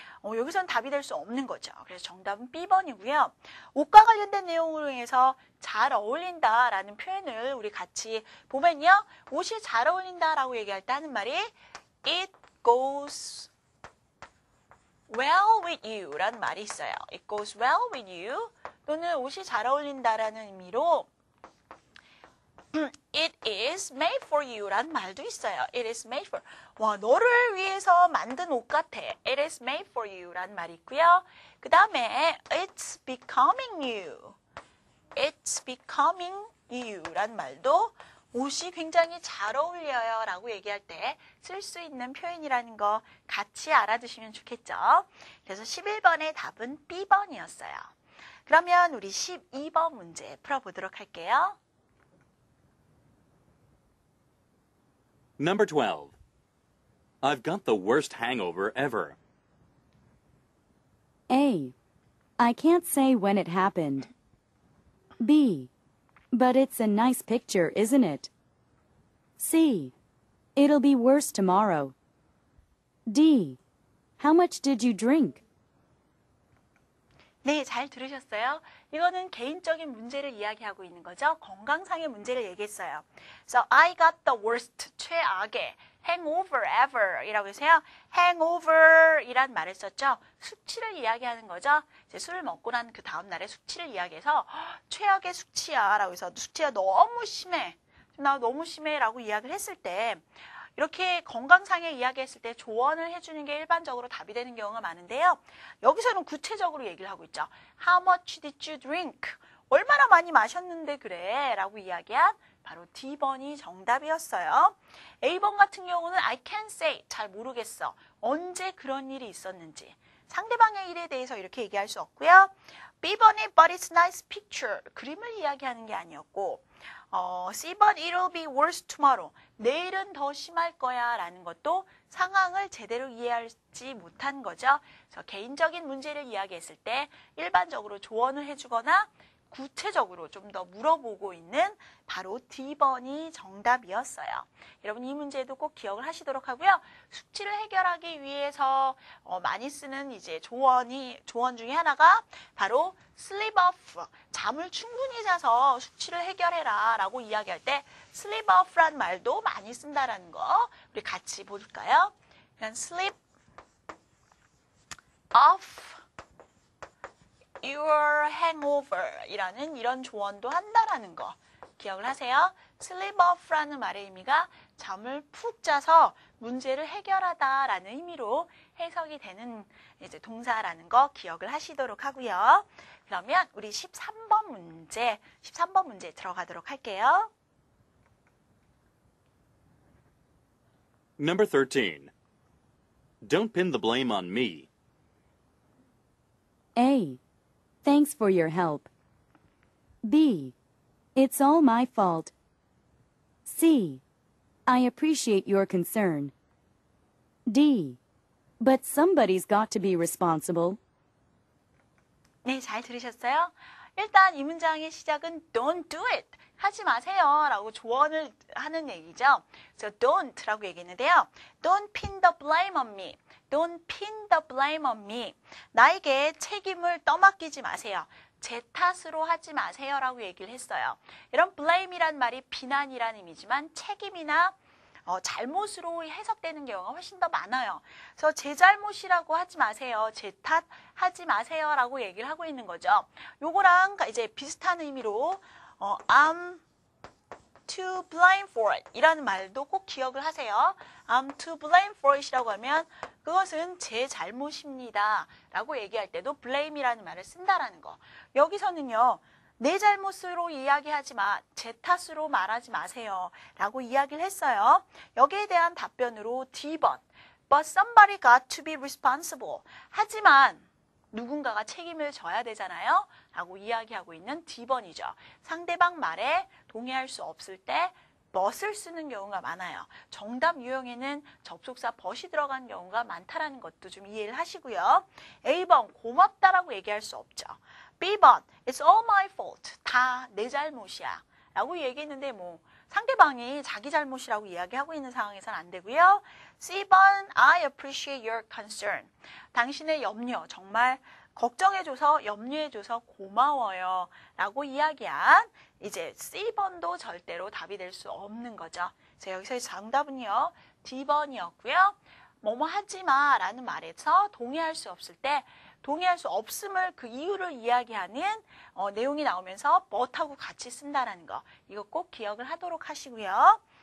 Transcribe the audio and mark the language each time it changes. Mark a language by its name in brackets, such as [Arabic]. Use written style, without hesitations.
[Korean] 여기서는 답이 될 수 없는 거죠. 그래서 정답은 B번이고요. 옷과 관련된 내용으로 인해서 잘 어울린다라는 표현을 우리 같이 보면요. 옷이 잘 어울린다라고 얘기할 때 하는 말이 [English] It goes well with you [Korean] 라는 말이 있어요. [English] It goes well with you [Korean] 또는 옷이 잘 어울린다라는 의미로 [English] It is made for you라는 말도 있어요. It is made for [Korean] 와 너를 위해서 만든 옷 같아. [English] It is made for you라는 [Korean] 말이 있고요. 그 다음에 [English] It's becoming you. [Korean] It's becoming you라는 말도 옷이 굉장히 잘 어울려요 라고 얘기할 때 쓸 수 있는 표현이라는 거 같이 알아두시면 좋겠죠. 그래서 11번의 답은 B번이었어요. 그러면 우리 12번 문제 풀어보도록 할게요. [English] Number 12. I've got the worst hangover ever. A. I can't say when it happened. B. But it's a nice picture, isn't it? C. It'll be worse tomorrow. D. How much did you drink? [Korean] 네, 잘 들으셨어요. 이거는 개인적인 문제를 이야기하고 있는 거죠. 건강상의 문제를 얘기했어요. [English] So I got the worst, [Korean] 최악의 [English] hangover ever 이라고 해서요. [Korean] hangover 이란 말을 썼죠. 숙취를 이야기하는 거죠. 이제 술을 먹고 난그 다음날의 숙취를 이야기해서 최악의 숙취야 라고 해서 숙취가 너무 심해. 나 너무 심해 라고 이야기를 했을 때 이렇게 건강상의 이야기했을 때 조언을 해주는 게 일반적으로 답이 되는 경우가 많은데요. 여기서는 구체적으로 얘기를 하고 있죠. [English] How much did you drink? [Korean] 얼마나 많이 마셨는데 그래? 라고 이야기한 바로 D번이 정답이었어요. A번 같은 경우는 [English] I can't say. [Korean] 잘 모르겠어. 언제 그런 일이 있었는지. 상대방의 일에 대해서 이렇게 얘기할 수 없고요. [English] B번이 But it's nice picture. [Korean] 그림을 이야기하는 게 아니었고. [English] C번, it'll be worse tomorrow. [Korean] 내일은 더 심할 거야. 라는 것도 상황을 제대로 이해하지 못한 거죠. 그래서 개인적인 문제를 이야기했을 때 일반적으로 조언을 해주거나 구체적으로 좀더 물어보고 있는 바로 D번이 정답이었어요. 여러분, 이 문제도 꼭 기억을 하시도록 하고요. 숙취를 해결하기 위해서 많이 쓰는 이제 조언 중에 하나가 바로 sleep off. 잠을 충분히 자서 숙취를 해결해라 라고 이야기할 때 sleep off란 말도 많이 쓴다라는 거 우리 같이 볼까요? [English] 그냥 sleep off. Your hangover [Korean] 이라는 이런 조언도 한다라는 거 기억을 하세요. Sleep off라는 말의 의미가 잠을 푹 자서 문제를 해결하다라는 의미로 해석이 되는 이제 동사라는 거 기억을 하시도록 하고요. 그러면 우리 13번 문제 들어가도록 할게요. [English] Number 13. Don't pin the blame on me. A. Thanks for your help. B. It's all my fault. C. I appreciate your concern. D. But somebody's got to be responsible. [Korean] 네, 잘 들으셨어요? 일단 이 문장의 시작은 [English] don't do it. [Korean] 하지 마세요. 라고 조언을 하는 얘기죠. 그래서 don't 라고 얘기했는데요. [English] Don't pin the blame on me. Don't pin the blame on me. [Korean] 나에게 책임을 떠맡기지 마세요. 제 탓으로 하지 마세요. 라고 얘기를 했어요. 이런 blame이란 말이 비난이란 의미지만 책임이나 잘못으로 해석되는 경우가 훨씬 더 많아요. 그래서 제 잘못이라고 하지 마세요. 제 탓하지 마세요. 라고 얘기를 하고 있는 거죠. 요거랑 이제 비슷한 의미로 [English] I'm to blame for it [Korean] 이라는 말도 꼭 기억을 하세요. [English] I'm to blame for it이라고 하면 [Korean] 그것은 제 잘못입니다. 라고 얘기할 때도 blame이라는 말을 쓴다라는 거. 여기서는요. 내 잘못으로 이야기하지 마. 제 탓으로 말하지 마세요. 라고 이야기를 했어요. 여기에 대한 답변으로 D번. [English] But somebody got to be responsible. [Korean] 하지만 누군가가 책임을 져야 되잖아요. 라고 이야기하고 있는 D번이죠. 상대방 말에 동의할 수 없을 때 but을 쓰는 경우가 많아요. 정답 유형에는 접속사 but이 들어간 경우가 많다라는 것도 좀 이해를 하시고요. A번, 고맙다라고 얘기할 수 없죠. [English] B번, it's all my fault. [Korean] 다내 잘못이야. 라고 얘기했는데 뭐 상대방이 자기 잘못이라고 이야기하고 있는 상황에서는 안 되고요. [English] C번, I appreciate your concern. [Korean] 당신의 염려, 정말 걱정해줘서, 염려해줘서 고마워요. 라고 이야기한 이제 C번도 절대로 답이 될수 없는 거죠. 그래서 여기서의 정답은요. D번이었고요. 뭐뭐 하지 마 라는 말에서 동의할 수 없을 때 동의할 수 없음을 그 이유를 이야기하는 내용이 나오면서 but하고 같이 쓴다라는 거 이거 꼭 기억을 하도록 하시고요.